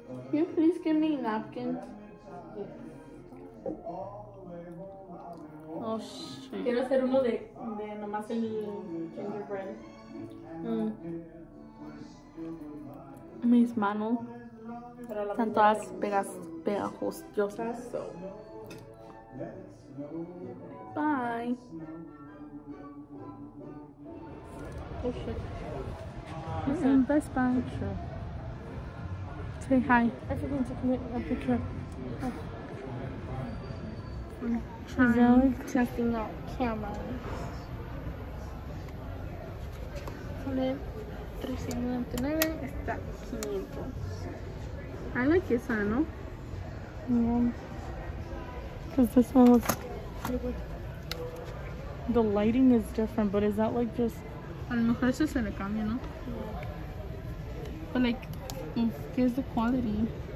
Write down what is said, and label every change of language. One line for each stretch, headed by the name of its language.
English: Can you please give me napkins? Yeah. Oh, shit.
Spanish: Quiero hacer uno de nomás el gingerbread. Mis manos están todas pegajosas. So.
English: Bye. Oh, shit. What's in that? Best Buy. Sure. Say hi. I forgot to commit a picture. Oh. I'm trying. Checking out cameras.
Spanish: Pone 399. Está 500.
English: I like this one, no? Yeah. Because this one looks... The lighting is different, but is that like just...
Spanish: A lo mejor eso se le cambia, ¿no?
English: But like,
Spanish: ¿qué es la calidad?